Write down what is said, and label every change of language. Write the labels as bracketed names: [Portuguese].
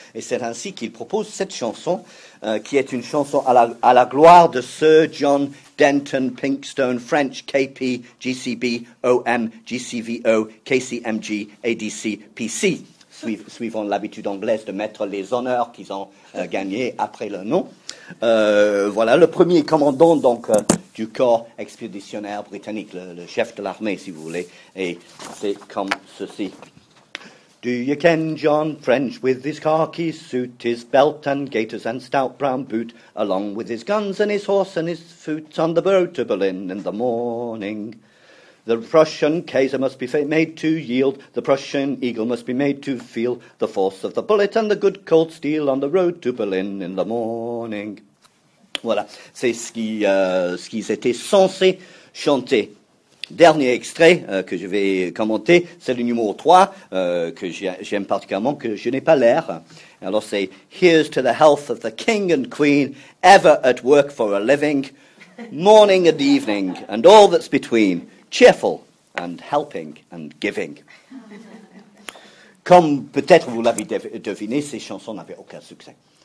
[French] Et c'est ainsi qu'il propose cette chanson, qui est une chanson à la gloire de Sir John Denton Pinkstone French, KP, GCB, OM, GCVO, KCMG, ADC, PC. Suivant l'habitude anglaise de mettre les honneurs qu'ils ont gagnés après le nom. Voilà, le premier commandant, donc... du corps expéditionnaire britannique, le chef de l'armée, si vous voulez. Et c'est comme ceci. [English] Do you ken John French with his khaki suit, his belt and gaiters and stout brown boot, along with his guns and his horse and his foot on the road to Berlin in the morning? The Prussian Kaiser must be made to yield, the Prussian eagle must be made to feel, the force of the bullet and the good cold steel on the road to Berlin in the morning. [French] Voilà, c'est ce qu'ils étaient censés chanter. Dernier extrait que je vais commenter, c'est le numéro 3, que j'aime particulièrement, que je n'ai pas l'air. Alors c'est [English] « Here's to the health of the king and queen, ever at work for a living, morning and evening, and all that's between, cheerful and helping and giving. » [French] Comme peut-être vous l'avez deviné, ces chansons n'avaient aucun succès.